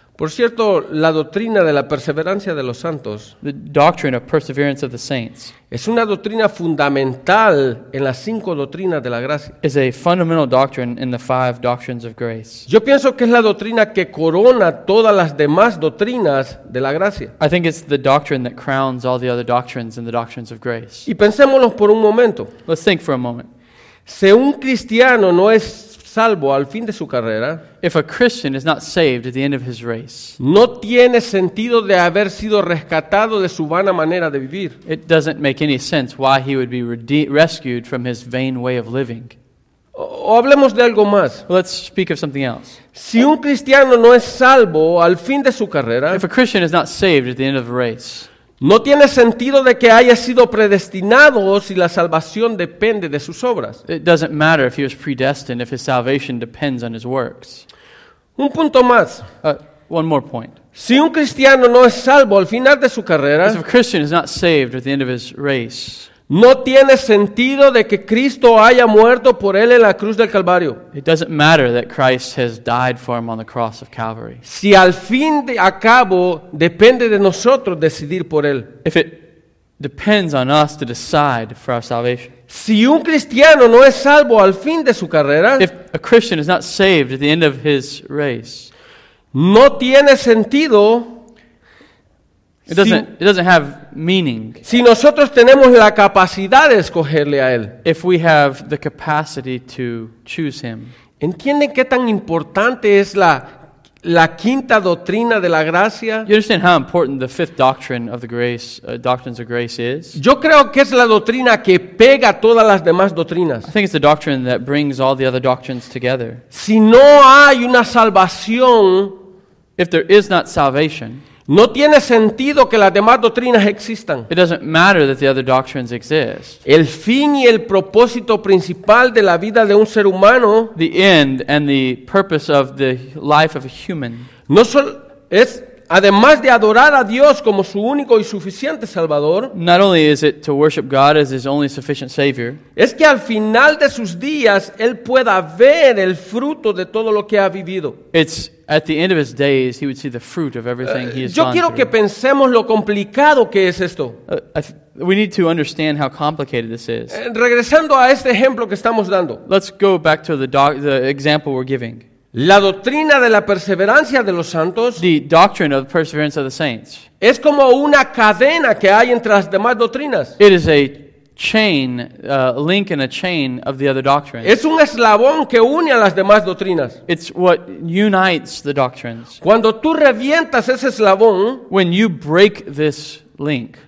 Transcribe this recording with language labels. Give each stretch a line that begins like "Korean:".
Spanish: Por cierto, la doctrina de la perseverancia de los santos,
English: the doctrine of perseverance of the saints,
Spanish: es una doctrina fundamental en las cinco doctrinas de la gracia.
English: Is a fundamental doctrine in the five doctrines of grace.
Spanish: Yo pienso que es la doctrina que corona todas las demás doctrinas de la gracia.
English: I think it's the doctrine that crowns all the other doctrines in the doctrines of grace.
Spanish: Y pensémoslo por un momento.
English: Let's think for a moment.
Spanish: Si un cristiano no es salvo al fin de su carrera,
English: if a Christian is not saved at the end of his race,
Spanish: no tiene sentido de haber sido rescatado de su vana manera de vivir.
English: It doesn't make any sense why he would be rescued from his vain way of living.
Spanish: O hablemos de algo más.
English: Let's speak of something else.
Spanish: Si un cristiano no es salvo al fin de su carrera,
English: if a Christian is not saved at the end of the race,
Spanish: no tiene sentido de que haya sido predestinado si la salvación depende de sus obras.
English: It doesn't matter if he was predestined if his salvation depends on his works.
Spanish: Un punto más.
English: One more point.
Spanish: Si un cristiano no es salvo al final de su carrera,
English: if a Christian is not saved at the end of his race,
Spanish: no tiene sentido de que Cristo haya muerto por él en la cruz del Calvario.
English: It doesn't matter that Christ has died for him on the cross of Calvary.
Spanish: Si al fin y al cabo depende de nosotros decidir por él.
English: If it depends on us to decide for our salvation.
Spanish: Si un cristiano no es salvo al fin de su carrera,
English: if a Christian is not saved at the end of his race,
Spanish: no tiene sentido.
English: It doesn't have meaning.
Spanish: Si nosotros tenemos la capacidad de escogerle a él.
English: If we have the capacity to choose him.
Spanish: ¿Entienden qué tan importante es la quinta doctrina de la gracia?
English: You understand how important the fifth doctrine of the grace, doctrines of grace is?
Spanish: Yo creo que es la doctrina que pega todas las demás doctrinas.
English: I think it's the doctrine that brings all the other doctrines together.
Spanish: Si no hay una salvación,
English: if there is not salvation,
Spanish: No tiene sentido que las demás doctrinas existan.
English: It doesn't matter that the other doctrines exist.
Spanish: El fin y el propósito principal de la vida de un ser humano,
English: the end and the purpose of the life of a human,
Spanish: no solo es, además de adorar a Dios como su único y suficiente Salvador,
English: not only is it to worship God as his only sufficient Savior,
Spanish: es que al final de sus días él pueda ver el fruto de todo lo que ha vivido.
English: It's at the end of his days he would see the fruit of everything he has done.
Spanish: Yo quiero
English: gone
Spanish: que pensemos lo complicado que es esto.
English: We need to understand how complicated this is.
Spanish: Regresando a este ejemplo que estamos dando.
English: Let's go back to the example we're giving.
Spanish: La doctrina de la perseverancia de los santos,
English: the doctrine of the perseverance of the saints,
Spanish: es como una cadena que hay entre las demás doctrinas.
English: It is a chain, a link in a chain of the other doctrines.
Spanish: Es un eslabón que une a las demás doctrinas.
English: It's what unites the doctrines.
Spanish: Cuando tú revientas ese eslabón,
English: when you break this link,